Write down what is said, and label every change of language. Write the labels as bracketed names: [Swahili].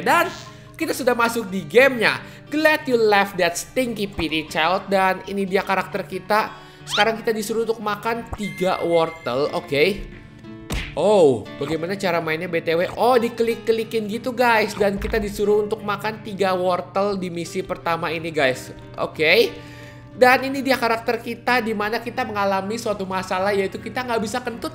[Indonesian] Dan kita sudah masuk di gamenya. [English] Glad you left that stinky pity child. [Indonesian] Dan ini dia karakter kita. Sekarang kita disuruh untuk makan 3 wortel, oke. Oh, bagaimana cara mainnya BTW? Oh, diklik-klikin gitu, guys. Dan kita disuruh untuk makan 3 wortel di misi pertama ini, guys. Oke. Okay. Dan ini dia karakter kita di mana kita mengalami suatu masalah, yaitu kita nggak bisa kentut.